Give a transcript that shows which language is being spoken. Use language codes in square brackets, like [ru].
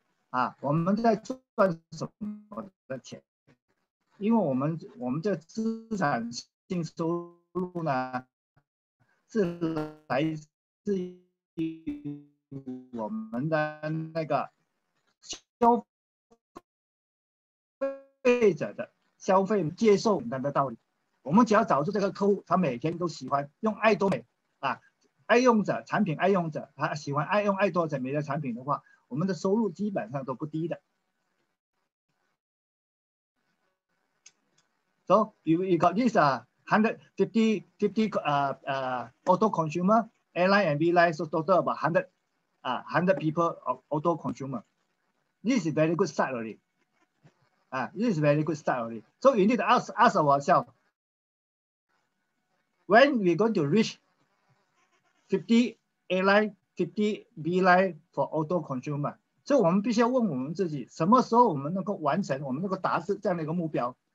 [zh] 啊，我们在赚什么的钱，因为我们这资产净收入呢，是来自于我们的那个消费者的消费接受我们的道理。我们只要找出这个客户，他每天都喜欢用爱多美啊，爱用者产品，爱用者他喜欢爱用爱多美的产品的话，我们的收入基本上都不低的。 [en] So you got this 150 auto consumer, airline and B line, so total about 100 people of auto consumer. This is very good start already. This is very good start already. So you need to ask ourselves, when we going to reach 50 airline, 50 B line for auto consumer? [zh] So 我们必须要问我们自己，什么时候我们能够完成，我们能够达至这样的一个目标？